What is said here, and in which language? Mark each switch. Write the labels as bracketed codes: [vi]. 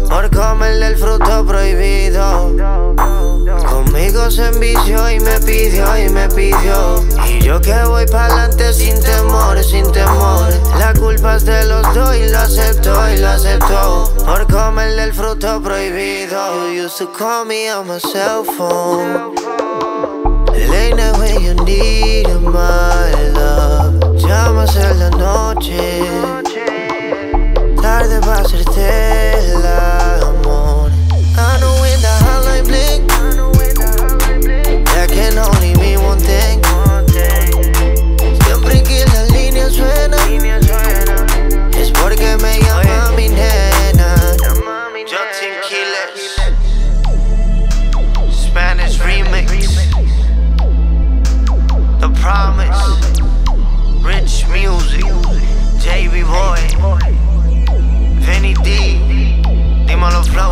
[es] Por comerle el fruto prohibido. Conmigo se envició y me pidió y me pidió. Y yo que voy pa'lante sin temores, sin temores. La culpa es de los dos y lo aceptó y lo aceptó. Por comerle el fruto prohibido. [en] You used to call me on my cell phone. Late night when you need my love. [es] Llamas en la noche, tarde pa' hacerte el amor. [en] I know when the hotline bling can only be one thing. [es] Siempre que la línea suena es porque me llama. Oye, mi nena. [en] Johnson Quiles Spanish remix. The Promise Rich Music JB Boy Vinny D. Dímelo flow.